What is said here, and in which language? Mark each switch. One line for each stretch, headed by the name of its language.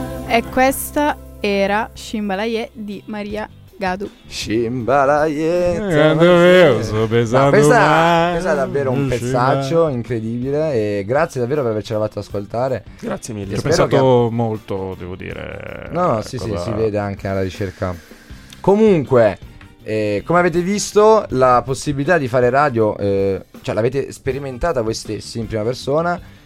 Italian: E questa era Chimbalaie di Maria Gadu. Chimbalaie,
Portuguese: quando vejo o sol beijando o mar.
Italian: Questa è davvero un pezzaccio incredibile e grazie davvero per avercela fatto ascoltare. Grazie mille. Ci ho pensato che... molto, devo dire. No, sì, cosa... sì, si vede anche alla ricerca. Comunque, come avete visto, la possibilità di fare radio, cioè l'avete sperimentata voi stessi in prima persona.